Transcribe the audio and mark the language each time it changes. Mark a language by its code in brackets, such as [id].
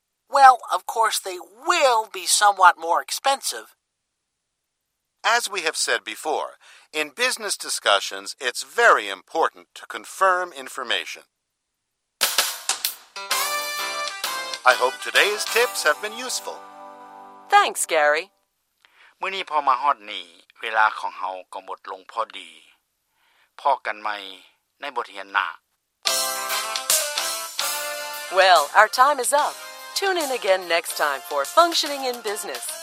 [en] Well, of course, they will be somewhat more expensive. As we have said before, in business discussions, it's very important to confirm information. I hope today's tips have been useful. Thanks, Gary. [tts] มื้อนี้พอมาฮอดนี่เวลาของเฮาก็หมดลงพอดีพบกันใหม่ในบทเรียนหน้า [en] Well, our time is up. Tune in again next time for Functioning in Business.